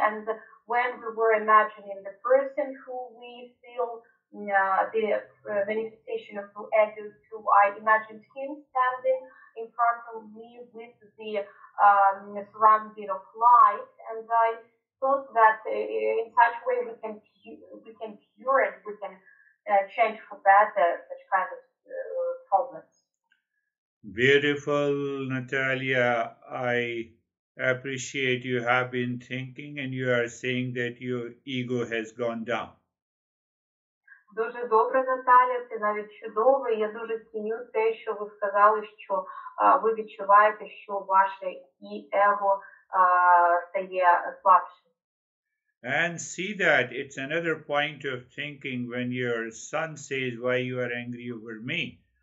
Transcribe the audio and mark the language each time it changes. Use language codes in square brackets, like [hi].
[en] And when we were imagining the person who we feel the manifestation of the ego to, I imagined him standing in front of me with the surrounding of light, and I thought that in such a way we can cure it, we can change for better such kind of problems. Beautiful, Natalia. I appreciate you have been thinking and you are saying that your ego has gone down. [uk] Дуже добре, Наталя, це навіть чудово. Я дуже ціню те, що ви сказали, що ви відчуваєте, що ваше ego стає слабшим. [en] And see that it's another point of thinking when your son says why you are angry over me.